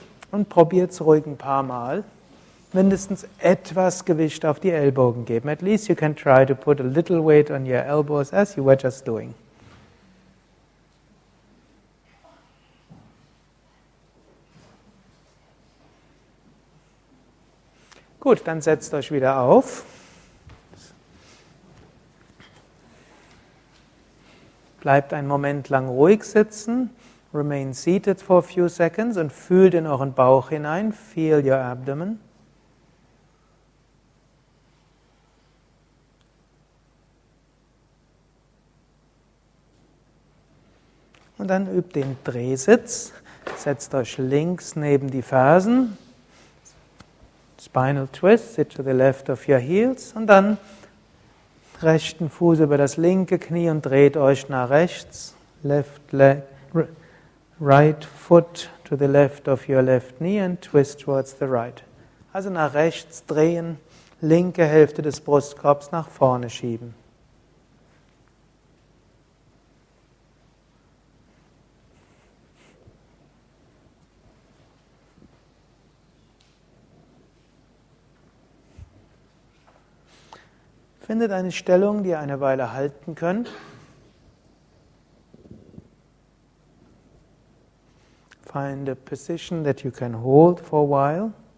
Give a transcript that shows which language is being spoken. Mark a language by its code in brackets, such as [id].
[de] Und probiert es ruhig ein paar Mal. Mindestens etwas Gewicht auf die Ellbogen geben. [en] At least you can try to put a little weight on your elbows as you were just doing. [de] Gut, dann setzt euch wieder auf. Bleibt einen Moment lang ruhig sitzen. [en] Remain seated for a few seconds [de] und fühlt in euren Bauch hinein. [en] Feel your abdomen. [de] Und dann übt den Drehsitz. Setzt euch links neben die Fersen. [en] Spinal twist, sit to the left of your heels. [de] Und dann rechten Fuß über das linke Knie und dreht euch nach rechts. [en] Left leg, right foot to the left of your left knee and twist towards the right. [de] Also nach rechts drehen, linke Hälfte des Brustkorbs nach vorne schieben. Findet eine Stellung, die ihr eine Weile halten könnt. [en] Find a position that you can hold for a while.